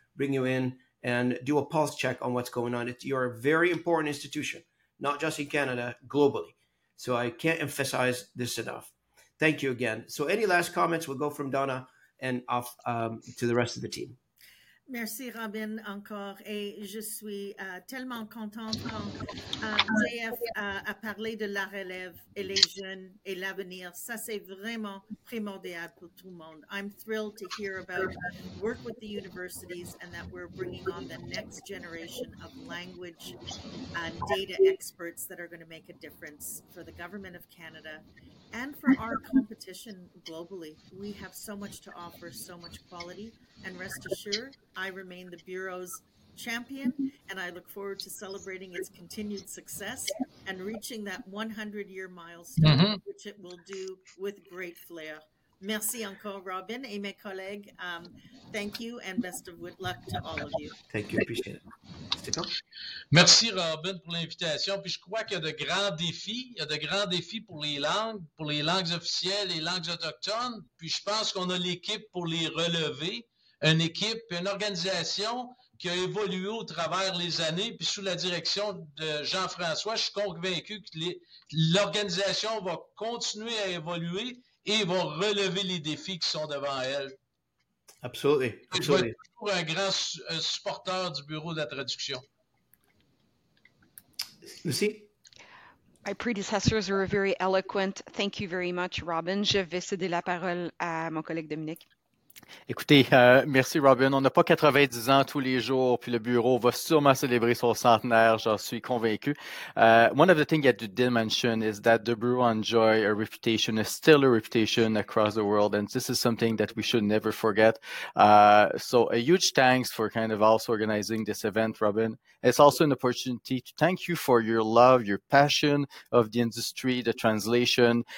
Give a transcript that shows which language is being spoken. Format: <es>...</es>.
<en>Bring you in and do a pulse check on what's going on. You're a very important institution, not just in Canada, globally. So I can't emphasize this enough. Thank you again. So any last comments, we'll go from Donna and off to the rest of the team.</en> <fr>Merci, Robin, encore. Et je suis tellement contente quand JF a parlé de la relève et les jeunes et l'avenir. Ça, c'est vraiment primordial pour tout le monde.</fr> <en>I'm thrilled to hear about work with the universities and that we're bringing on the next generation of language and data experts that are going to make a difference for the government of Canada and for our competition globally. We have so much to offer, so much quality. And rest assured, I remain the Bureau's champion, and I look forward to celebrating its continued success and reaching that 100-year milestone, mm-hmm. which it will do with great flair.</en> <fr>Merci encore, Robin, et mes collègues.</fr> <en>Thank you, and best of luck to all of you. Thank you. Appreciate it.</en> <fr>Merci Robin pour l'invitation. Puis je crois qu'il y a de grands défis. Il y a de grands défis pour les langues officielles, les langues autochtones. Puis je pense qu'on a l'équipe pour les relever. Une équipe, une organisation qui a évolué au travers les années. Puis sous la direction de Jean-François, je suis convaincu que l'organisation va continuer à évoluer et va relever les défis qui sont devant elle. Absolument. Je suis toujours un grand supporteur du Bureau de la traduction. Lucie?</fr> <en>My predecessors were very eloquent. Thank you very much, Robin.</en> <fr>Je vais céder la parole à mon collègue Dominique. Écoutez, merci Robin. On n'a pas 90 ans tous les jours, puis le bureau va sûrement célébrer son centenaire, j'en suis convaincu.</fr> <en>One of the things that you did mention is that the bureau enjoy a reputation, a stellar reputation across the world, and this is something that we should never forget. So a huge thanks for kind of also organizing this event, Robin. It's also an opportunity to thank you for your love, your passion of the industry, the translation.</en>